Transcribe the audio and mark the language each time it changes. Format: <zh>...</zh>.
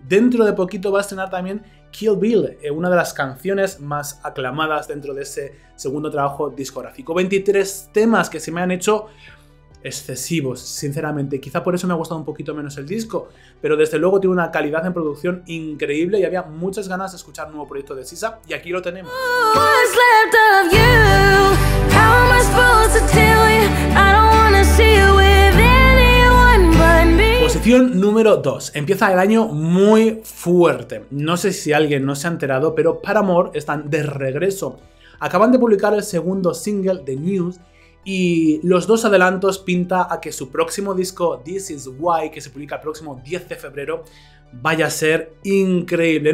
<es>Dentro de poquito va a estrenar también Kill Bill, una de las canciones más aclamadas dentro de ese segundo trabajo discográfico. 23 temas que se me han hecho excesivos, sinceramente. Quizá por eso me ha gustado un poquito menos el disco, pero desde luego tiene una calidad en producción increíble y había muchas ganas de escuchar un nuevo proyecto de SZA, y aquí lo tenemos.</es> <en>What's left of you? How am I supposed to tell you? I don't wanna see you with anyone but me.</en> <es>Posición número 2. Empieza el año muy fuerte. No sé si alguien no se ha enterado, pero Paramore están de regreso. Acaban de publicar el segundo single, The News, y los dos adelantos pinta a que su próximo disco, This Is Why, que se publica el próximo 10 de febrero, vaya a ser increíble.</es>